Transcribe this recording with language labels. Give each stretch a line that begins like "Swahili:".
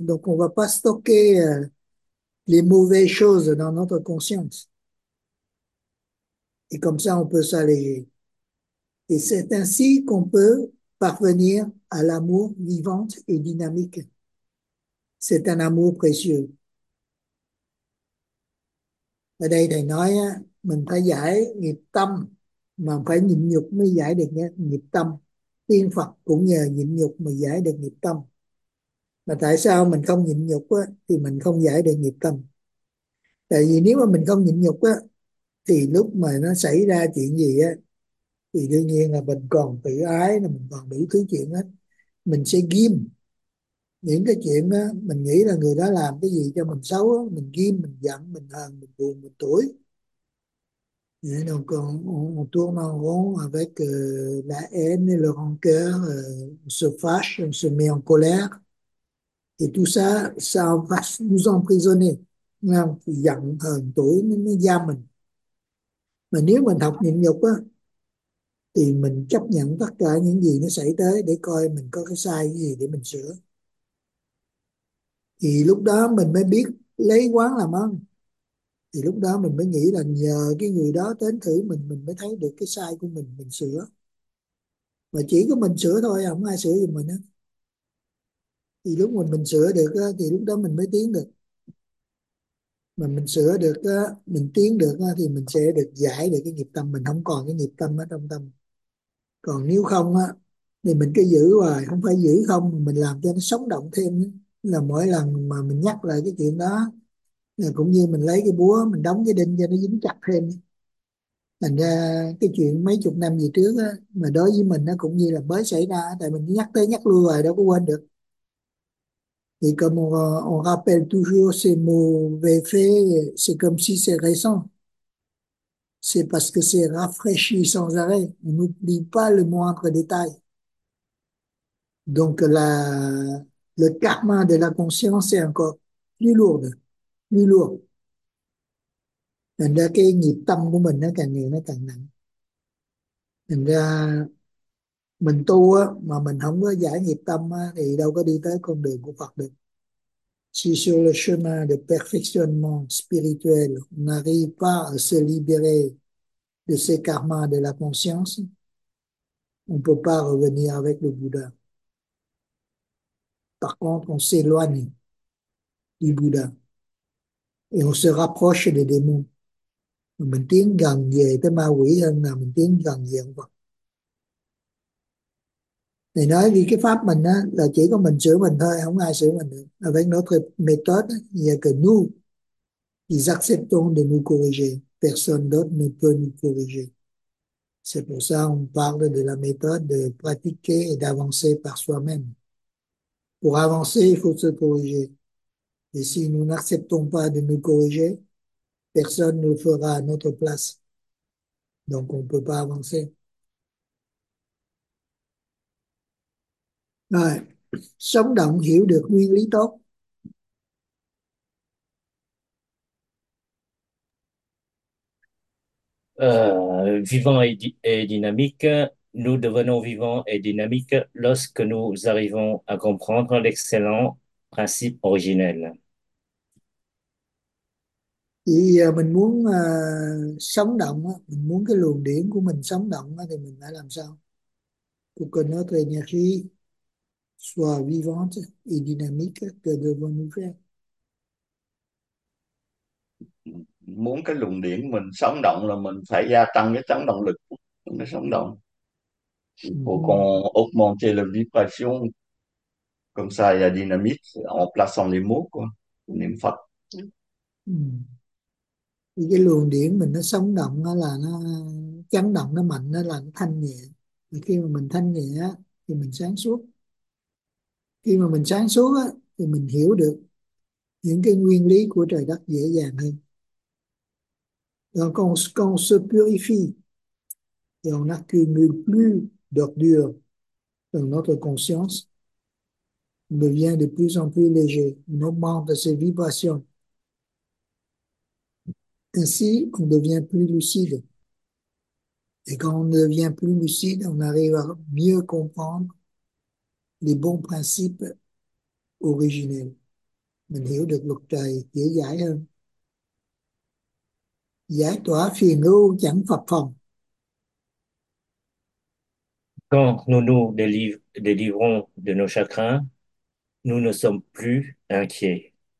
French: Donc on ne va pas stocker les mauvaises choses dans notre conscience. Et comme ça, on peut s'alléger. Et c'est ainsi qu'on peut parvenir à l'amour vivant et dynamique. C'est un amour précieux.
Vietnamese: Ở đây thầy nói mình phải giải nghiệp tâm mà phải nhịn nhục mới giải được nghiệp tâm. Tiên Phật cũng nhờ nhịn nhục mà giải được nghiệp tâm. Mà tại sao mình không nhịn nhục á, thì mình không giải được nghiệp tâm. Tại vì nếu mà mình không nhịn nhục á, thì lúc mà nó xảy ra chuyện gì á, thì đương nhiên là mình còn tự ái, mình còn đủ thứ chuyện hết. Mình sẽ ghim những cái chuyện đó, mình nghĩ là người đó làm cái gì cho mình xấu đó, mình ghim, mình giận, mình hờn, mình buồn, mình tủi.
French: Et donc on tourne en rond avec la haine et le rancœur, on se fâche, on se met en colère. Et tout ça va nous emprisonner.
Vietnamese: Non, giận, hờn, tủi, nó giam mình. Mà nếu mình học nhịn nhục á, thì mình chấp nhận tất cả những gì nó xảy tới để coi mình có cái sai gì để mình sửa. Thì lúc đó mình mới biết lấy quán làm ăn. Thì lúc đó mình mới nghĩ là nhờ cái người đó đến thử mình mới thấy được cái sai của mình sửa. Mà chỉ có mình sửa thôi, không ai sửa giùm mình hết. Thì lúc mình sửa được thì lúc đó mình mới tiến được. Mà mình sửa được, mình tiến được thì mình sẽ được giải được cái nghiệp tâm, mình không còn cái nghiệp tâm ở trong tâm. Còn nếu không thì mình cứ giữ hoài, không phải giữ không, mình làm cho nó sống động thêm. Là mỗi lần mà mình nhắc lại cái chuyện đó là cũng như mình lấy cái búa mình đóng cái đinh cho nó dính chặt thêm, thành ra cái chuyện mấy chục năm về trước á, mà đối với mình nó cũng như là mới xảy ra, tại mình nhắc tới nhắc lui rồi đâu có quên được.
French: Thì comme on rappelle toujours ces mots vécus, c'est comme si c'est récent, c'est parce que c'est rafraîchi sans arrêt, on n'oublie pas le moindre détail. Donc là le karma de la conscience est encore plus lourde, plus lourd.
Vietnamese: Thành ra cái nghiệp tâm của mình nó càng nhiều, nó càng nặng. Thành ra mình tu á, mà mình không có giải nghiệp tâm á, thì đâu có đi tới con đường của Phật được.
French: Si sur le chemin de perfectionnement spirituel, on n'arrive pas à se libérer de ce karma de la conscience, on ne peut pas revenir avec le Bouddha. Par contre, on s'éloigne du Bouddha. Et on se rapproche des démons.
Vietnamese: Mình tiến gần về tới ma quỷ hơn là mình tiến gần về ông Phật. Thì nói vì cái pháp mình á, là chỉ có mình sửa mình thôi, không ai sửa mình được. Là phải nói thuyết method về cái nu.
French: Ils acceptent de nous corriger. Personne d'autre ne peut nous corriger. C'est pour ça qu'on parle de la méthode de pratiquer et d'avancer par soi-même. Pour avancer, il faut se corriger. Et si nous n'acceptons pas de nous corriger, personne ne le fera à notre place. Donc, on ne peut pas avancer. Ouais.
Vietnamese: Sống động, hiểu được nguyên lý tốt.
French: Vivant et dynamique, nous devenons vivants et dynamiques lorsque nous arrivons à comprendre l'excellent principe originel.
Vietnamese: Thì mình muốn sống động, mình muốn cái luồng điển của mình sống động thì mình phải làm sao?
French: Pour que notre énergie soit vivante et dynamique, que devons-nous faire?
Vietnamese: Muốn cái luồng điển mình sống động là mình phải gia tăng cái chấn động lực nó sống động.
French: Pour qu'on augmente la vibration comme ça il y a dynamite en plaçant les mots quoi,
Vietnamese: niệm Phật. Cái luồng điển mình nó sống động, nó là nó chấn động, nó mạnh, nó là nó thanh nhẹ. Và khi mà mình thanh nhẹ thì mình sáng suốt. Khi mà mình sáng suốt thì mình hiểu được những cái nguyên lý của trời đất dễ dàng hơn.
French: Donc quand on se purifie et on n'accumule plus d'ordures dans notre conscience, on devient de plus en plus léger, on augmente ses vibrations. Ainsi, on devient plus lucide. Et quand on devient plus lucide, on arrive à mieux comprendre les bons principes originels.
Vietnamese: Mình hiểu được luật trời dễ giải hơn. Giải tỏa phiền ưu chẳng phập phồng.
French: Quand nous nous délivrons de nos chagrins, nous ne sommes plus inquiets.